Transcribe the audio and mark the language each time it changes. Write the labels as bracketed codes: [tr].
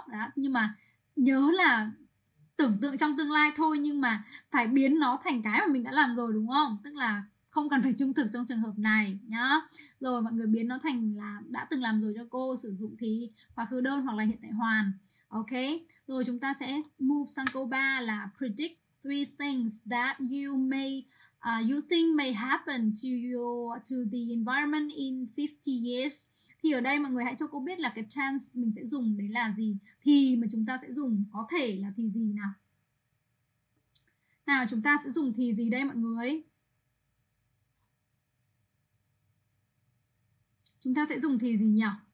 [vi] Đó, nhưng mà nhớ là tưởng tượng trong tương lai thôi, nhưng mà phải biến nó thành cái mà mình đã làm rồi, đúng không? Tức là không cần phải trung thực trong trường hợp này nhá. Rồi mọi người biến nó thành là đã từng làm rồi cho cô, sử dụng thì quá khứ đơn hoặc là hiện tại hoàn. Ok, rồi chúng ta sẽ move sang câu 3 là [en] predict three things that you think may happen to the environment in 50 years. [vi] Thì ở đây mọi người hãy cho cô biết là cái chance mình sẽ dùng đấy là gì, thì mà chúng ta sẽ dùng có thể là thì gì nào. Nào, chúng ta sẽ dùng thì gì đây mọi người? Chúng ta sẽ dùng thì gì nhỉ?